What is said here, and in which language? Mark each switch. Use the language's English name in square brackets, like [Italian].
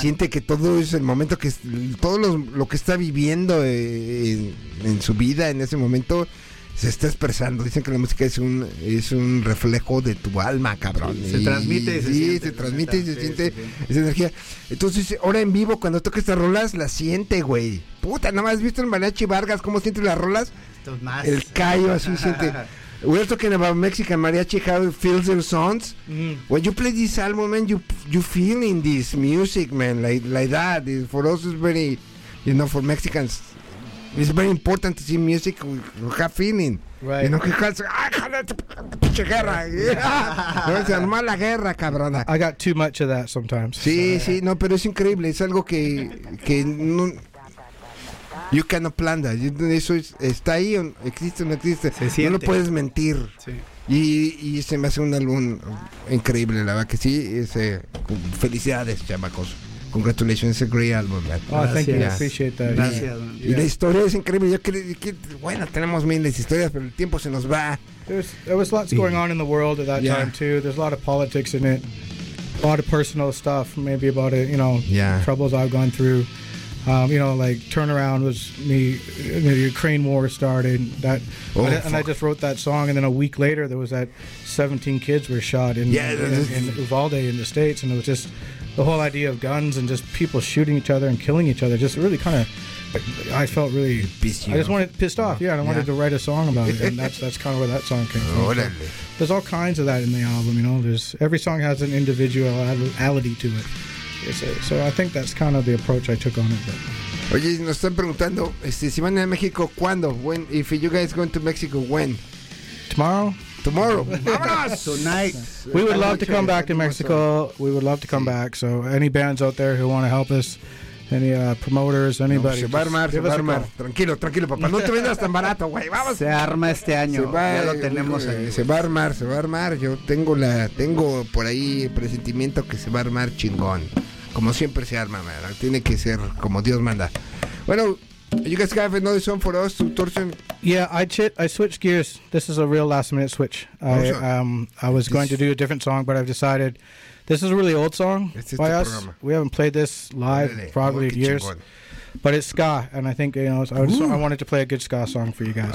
[Spanish] Siente que todo es el momento, que todo lo que está viviendo en su vida en ese momento se está expresando. Dicen que la música es un reflejo de tu alma, cabrón. Sí, se transmite y se siente esa energía. Entonces, ahora en vivo, cuando toca estas rolas, las siente, güey. Puta, nada más visto el Mariachi Vargas, cómo siente las rolas. Más. El callo así siente. [English] We're talking about Mexican mariachi, how it feels their songs. Mm-hmm. When you play this album, man, you feeling this music, man, like that. It, for us, it's very, you know, for Mexicans, it's very important to see music with have feeling. Right. You know, because, [Spanish] pinche guerra. [English] Yeah. [Spanish] No, se armó la guerra, cabrona. [English] I got too much of that sometimes. [Spanish] Sí, [English] so, yeah. [Spanish] Sí, no, pero es increíble. Es algo que no. [English] You cannot plan that. [Spanish] Eso está ahí, existe o no existe. Se siente. No lo puedes mentir. Sí. Y se me hace un álbum increíble, la verdad que sí. Felicidades, chamacos. [English] Congratulations, it's a great album, man. [Spanish] Oh, gracias. [English] Thank you. I appreciate that. [Spanish] Gracias. Y la historia es increíble. Bueno, tenemos miles de historias, pero el tiempo se nos va. [English] There was lots going on in the world at that time, too. There's a lot of politics in it. A lot of personal stuff, maybe about it, you know, troubles I've gone through. You know, like, Turnaround was me, you know, the Ukraine war started, and I just wrote that song, and then a week later, there was that 17 kids were shot in Uvalde in the States, and it was just the whole idea of guns and just people shooting each other and killing each other just really kind of I felt really pissed. I just wanted pissed off. Yeah, and I wanted to write a song about it, and that's kind of where that song came from. [Spanish] Orale. [English] There's all kinds of that in the album, you know. There's every song has an individuality to it. So I think that's kind of the approach I took on it. But. [Spanish] Oye, nos están preguntando, si van a México, ¿cuándo? [English] When, if you guys going to Mexico, when? Tomorrow. Tomorrow. Tonight. We would love to come back to Mexico. We would love to come back. So any bands out there who want to help us, any promoters, anybody. [Spanish] No, se va a armar, se va a armar. Tranquilo, tranquilo, papá. No te vendas tan barato, güey. Vamos. Se arma este año. Se va, ya lo tenemos ahí. Se va a armar, se va a armar. Yo tengo por ahí el presentimiento que se va a armar chingón. Como siempre se arma, man. Tiene que ser como Dios manda. [English] Bueno, you guys have another song for us, Torsion? Yeah, I switched gears. This is a real last minute switch. I was going to do a different song, but I've decided this is a really old song by us. We haven't played this live probably in years. But it's ska, and I think, you know, I wanted to play a good ska song for you guys.